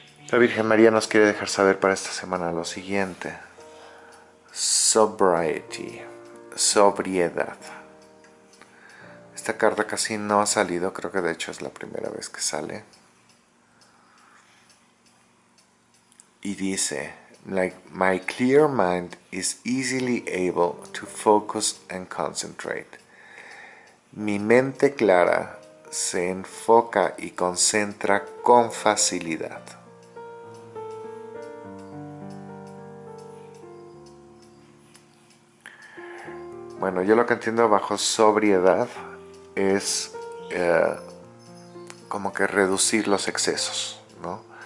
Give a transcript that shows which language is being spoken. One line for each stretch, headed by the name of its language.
Spanish: La Virgen María nos quiere dejar saber para esta semana lo siguiente. Sobriety, sobriedad. Esta carta casi no ha salido, creo que de hecho es la primera vez que sale. Y dice,
English: like my clear mind is easily able to focus and concentrate.
Spanish: Mi mente clara se enfoca y concentra con facilidad. Bueno, yo lo que entiendo bajo sobriedad es como que reducir los excesos, ¿no?